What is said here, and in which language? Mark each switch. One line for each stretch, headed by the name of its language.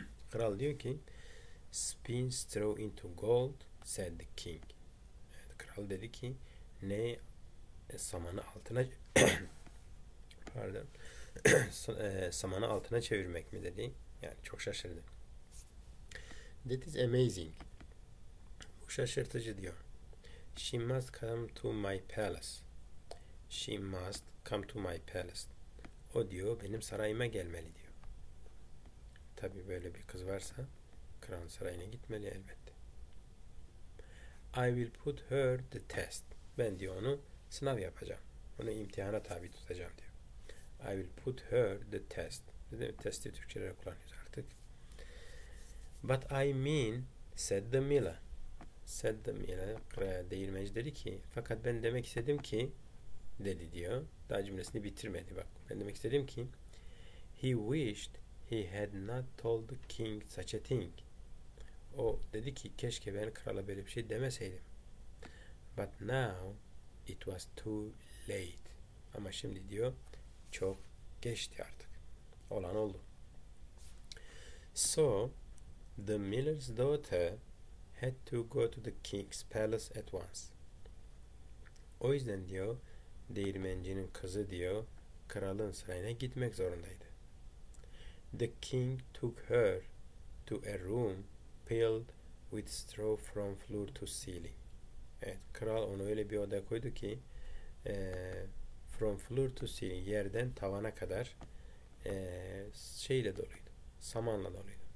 Turkish: Kral diyor ki,
English: spin straw into gold, said the king.
Turkish: Evet, kral dedi ki, ne samanı altına pardon, samanı altına çevirmek mi dedi? Yani çok şaşırdı.
English: That is amazing.
Turkish: Bu şaşırtıcı diyor.
English: She must come to my palace. She must come to my palace.
Turkish: O diyor benim sarayıma gelmeli diyor. Tabii böyle bir kız varsa kralın sarayına gitmeli elbette.
English: I will put her the test.
Turkish: Ben diyor onu sınav yapacağım. Onu imtihana tabi tutacağım diyor.
English: I will put her the test.
Turkish: Dedim, testi Türkçe'de kullanıyoruz artık.
English: But I mean, said the miller.
Turkish: Said the miller, değirmenci dedi ki, fakat ben demek istedim ki, dedi diyor. Daha cümlesini bitirmedi bak. Ben demek istedim ki,
English: he wished he had not told the king such a thing.
Turkish: O dedi ki, keşke ben krala böyle bir şey demeseydim.
English: But now it was too late.
Turkish: Ama şimdi diyor, çok geçti artık. Olan oldu.
English: So, the miller's daughter had to go to the king's palace at once.
Turkish: O yüzden diyor, değirmencinin kızı diyor, kralın sarayına gitmek zorundaydı.
English: The king took her to a room piled with straw from floor to ceiling.
Turkish: Evet, kral onu öyle bir odaya koydu ki
English: from floor to ceiling,
Turkish: yerden tavana kadar şeyle doluydu. Samanla doluydu.